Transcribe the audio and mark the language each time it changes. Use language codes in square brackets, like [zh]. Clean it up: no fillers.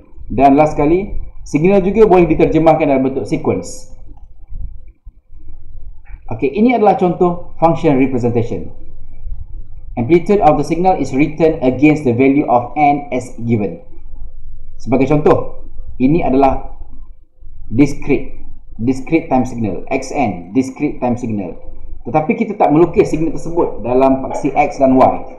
[ms] Dan last kali, signal juga boleh diterjemahkan dalam bentuk sequence. Okey, ini adalah contoh function representation. [en] Amplitude of the signal is written against the value of n as given. [ms] Sebagai contoh, ini adalah discrete time signal, xn, discrete time signal. Tetapi kita tak melukis signal tersebut dalam paksi x dan y.